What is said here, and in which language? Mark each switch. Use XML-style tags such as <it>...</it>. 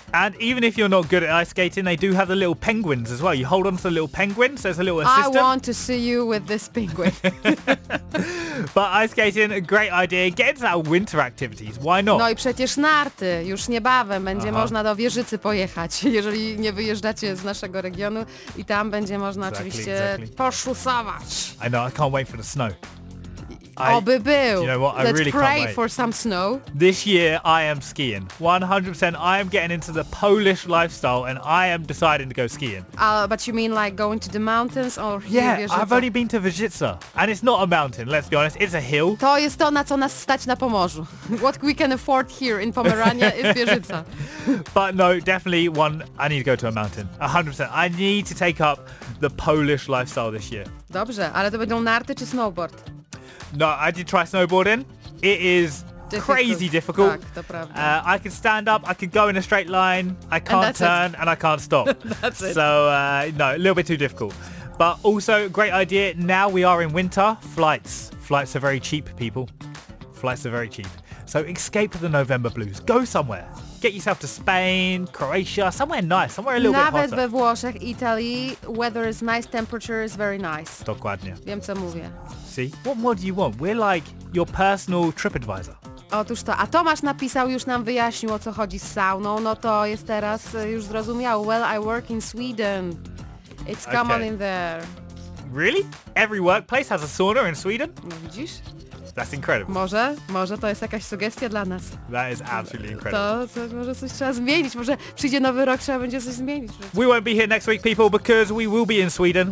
<en>And even if you're not good at ice skating, they do have the little penguins as well. You hold on to the little penguin, so it's a little assistant. I want to see you with this penguin. But ice skating, a great idea. Get into that winter activities. Why not?</en> <pl>No i przecież narty. Już niebawem będzie można do Wieżycy pojechać, jeżeli nie wyjeżdżacie z naszego regionu. I tam będzie można oczywiście poszusować.</pl> <en>I know, I can't wait for the snow.</en> <pl>Oby był.</pl> <en>You know what, let's I really pray can't wait. For some snow. This year I am skiing. 100% I am getting into the Polish lifestyle and I am deciding to go skiing. But you mean like going to the mountains or Yeah, Wieżyca? I've only been to Wieżyca. And it's not a mountain, let's be honest. It's a hill.</en> <pl>To jest to, na co nas stać na Pomorzu.</pl> <en>What we can afford here in Pomerania is Wieżyca. But no, definitely one, I need to go to a mountain. 100% I need to take up the Polish lifestyle this year.</en> <pl>Dobrze, ale to będą narty czy snowboard?</pl> <en>No, I did try snowboarding. It is difficult. Crazy difficult.</en> <pl>Tak, to prawda.</pl> <en>I can stand up, I can go in a straight line, I can't and turn, it. And I can't stop. That's it. So, no, a little bit too difficult. But also, great idea, now we are in winter, flights. Flights are very cheap, people. Flights are very cheap. So escape the November blues. Go somewhere. Get yourself to Spain, Croatia, somewhere nice, somewhere a little</en> <pl>Nawet</pl> <en>bit hotter.</en> <pl>Nawet we Włoszech,</pl> <en>Italy, weather is nice, temperature is very nice.</en> <pl>Dokładnie. Wiem, co mówię.</pl> <en>See, what more do you want? We're like your personal trip advisor.</en> <pl>Otóż to, a Tomasz napisał, już nam wyjaśnił, o co chodzi z sauną, no to jest teraz już zrozumiał.</pl> <en>Well, I work in Sweden. It's common in there. Really? Every workplace has a sauna in Sweden?</en> <pl>No widzisz?</pl> <en>That's incredible.</en> <pl>Może to jest jakaś sugestia dla nas.</pl> <en>That is absolutely incredible.</en> <pl>To może coś trzeba zmienić, może przyjdzie nowy rok, trzeba będzie coś zmienić.</pl> <en>We won't be here next week, people, because we will be in Sweden.</en>